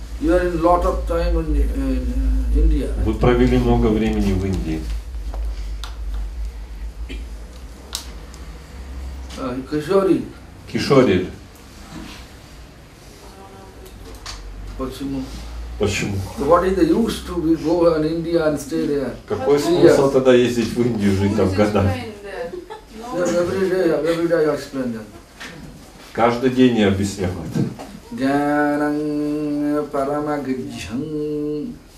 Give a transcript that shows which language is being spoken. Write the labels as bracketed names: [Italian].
[English] You are in lot of time in India. Right? [Russian] Вы провели много времени в Индии. [English] Kishori. Kishori. [Russian] Почему? Почему? [English] What is the use to go in India and stay there? [Russian] Какой смысл тогда ездить в Индию, жить там годами? [English] Every day I explain that. [Russian] Каждый день я объясняю это. Гаранг парамагджан.